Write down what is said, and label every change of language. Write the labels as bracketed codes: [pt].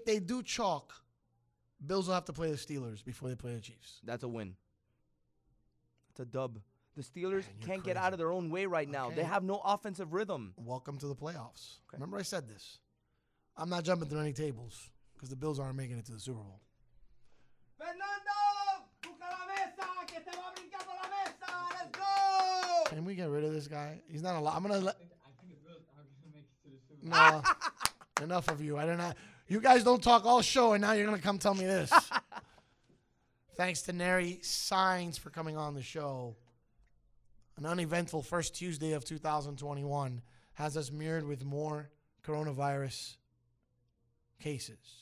[en] If they do chalk, Bills will have to play the Steelers before they play the Chiefs. That's a win. It's a dub. The Steelers can't get out of their own way right now. They have no offensive rhythm. Welcome to the playoffs. Okay. Remember I said this. I'm not jumping through any tables because the Bills aren't making it to the Super Bowl. [es] Fernando, busca la mesa, que te va a brincar por la mesa. [en] Let's go! Can we get rid of this guy? He's not a lot. I think the Bills aren't going to make it to the Super Bowl. No. Enough of you. I don't know. You guys don't talk all show, and now you're going to come tell me this. Thanks to Nary Sines for coming on the show. An uneventful first Tuesday of 2021 has us mirrored with more coronavirus cases.